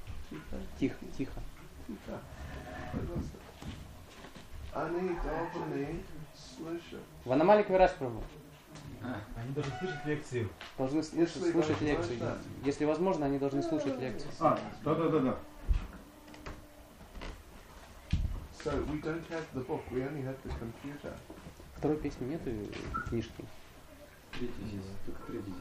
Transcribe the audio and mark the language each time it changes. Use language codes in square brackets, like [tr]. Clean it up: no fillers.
[ru] Тихо. Тихо. Тихо. Пожалуйста. Они должны слышать. В аномалик Вираспрабху. Они должны слышать лекцию. Должны слушать лекцию. Если возможно, они должны слушать лекцию. Да. [en] So we don't have the book, we only have the computer. [ru] Второй песни нету книжки. Третья здесь, только третья.